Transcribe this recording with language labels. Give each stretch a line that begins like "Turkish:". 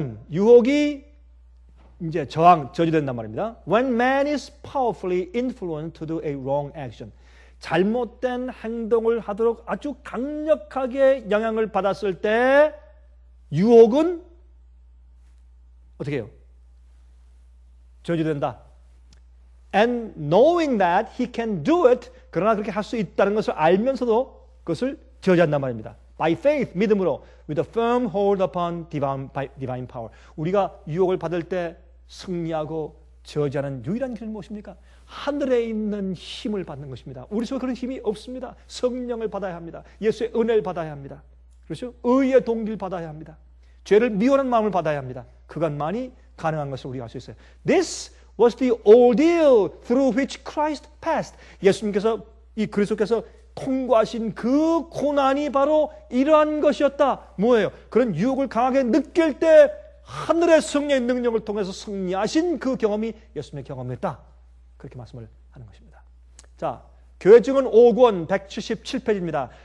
Korean: 유혹이 이제 저항, 저지된단 말입니다.
English: When man is powerfully influenced to do a wrong action.
Korean: 잘못된 행동을 하도록 아주 강력하게 영향을 받았을 때 유혹은 어떻게 해요? 저지된다.
English: And knowing that he can do it,
Korean: 그러나 그렇게 할 수 있다는 것을 알면서도 그것을 저지한단 말입니다.
English: By faith,
Korean: 믿음으로,
English: with a firm hold upon divine power.
Korean: 우리가 유혹을 받을 때 승리하고 저지하는 유일한 길은 무엇입니까? 하늘에 있는 힘을 받는 것입니다. 우리 속에 그런 힘이 없습니다. 성령을 받아야 합니다. 예수의 은혜를 받아야 합니다. 그렇죠? 의의 동기를 받아야 합니다. 죄를 미워하는 마음을 받아야 합니다. 그것만이 가능한 것을 우리가 알 수 있어요.
English: This was the ordeal through which Christ passed.
Korean: 예수님께서, 이 그리스도께서 통과하신 그 고난이 바로 이러한 것이었다. 뭐예요? 그런 유혹을 강하게 느낄 때 하늘의 성령의 능력을 통해서 승리하신 그 경험이 예수님의 경험이었다. 그렇게 말씀을 하는 것입니다. 자, 교회증은 5권 177페이지입니다.